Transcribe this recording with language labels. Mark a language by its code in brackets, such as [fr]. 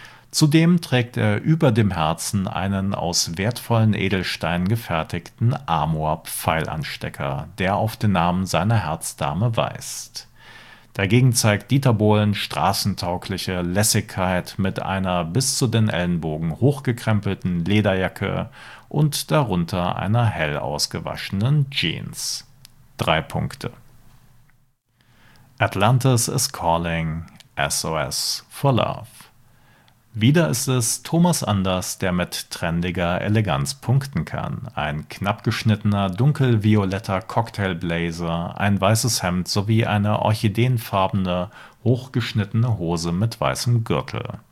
[de] Zudem trägt er über dem Herzen einen aus wertvollen Edelsteinen gefertigten Amor-Pfeilanstecker, der auf den Namen seiner Herzdame weist. Dagegen zeigt Dieter Bohlen straßentaugliche Lässigkeit mit einer bis zu den Ellenbogen hochgekrempelten Lederjacke und darunter einer hell ausgewaschenen Jeans. 3 Punkte. [en] Atlantis is calling, SOS for love. [de] Wieder ist es Thomas Anders, der mit trendiger Eleganz punkten kann. Ein knapp geschnittener, dunkelvioletter Cocktailblazer, ein weißes Hemd sowie eine orchideenfarbene, hochgeschnittene Hose mit weißem Gürtel.